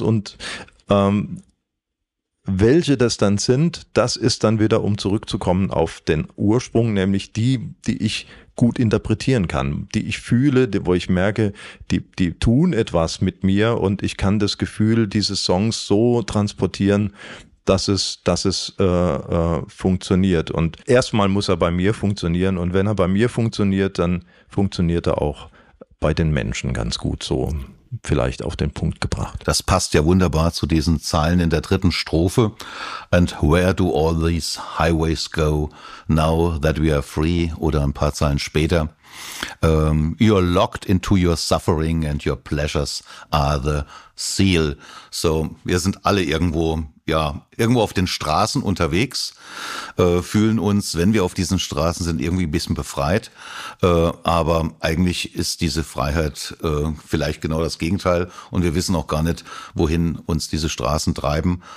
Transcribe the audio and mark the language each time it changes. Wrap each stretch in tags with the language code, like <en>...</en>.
<de>Und welche das dann sind, das ist dann wieder, um zurückzukommen auf den Ursprung, nämlich die, die ich gut interpretieren kann, die ich fühle, die, wo ich merke, die tun etwas mit mir und ich kann das Gefühl dieses Songs so transportieren, dass es funktioniert. Und erstmal muss er bei mir funktionieren und wenn er bei mir funktioniert, dann funktioniert er auch bei den Menschen ganz gut so. Vielleicht auf den Punkt gebracht. Das passt ja wunderbar zu diesen Zeilen in der dritten Strophe.</de> <en>And where do all these highways go now that we are free?</en> <de>Oder ein paar Zeilen später.</de> <en>You're locked into your suffering and your pleasures are the seal.</en> <de>So, wir sind alle irgendwo, ja, irgendwo auf den Straßen unterwegs, fühlen uns, wenn wir auf diesen Straßen sind, irgendwie ein bisschen befreit. Aber eigentlich ist diese Freiheit vielleicht genau das Gegenteil. Und wir wissen auch gar nicht, wohin uns diese Straßen treiben.</de>